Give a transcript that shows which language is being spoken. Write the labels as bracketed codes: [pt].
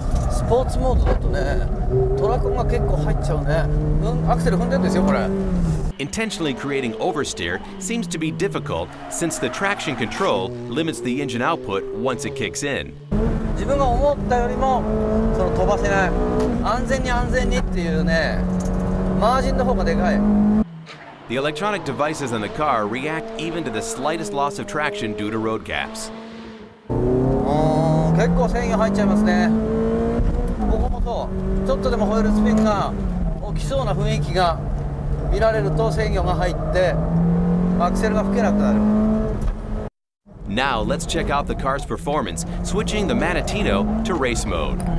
[ja] スポーツモードだとね、トラクが結構入っちゃうね。アクセル踏んでるんですよ、これ。 [en] Intentionally creating oversteer seems to be difficult since the traction control limits the engine output once it kicks in. [ja] 自分が思ったよりもその飛ばせない。安全に安全にっていうね、マージンの方がでかい。 [en] The electronic devices on the car react even to the slightest loss of traction due to road gaps. [ja] 結構繊維入っちゃいますね。ここもそう、ちょっとでもホイールスピンが起きそうな雰囲気が見られると制御が入ってアクセルが吹けなくなる。 [en] Now let's check out the car's performance switching the Manettino to race mode.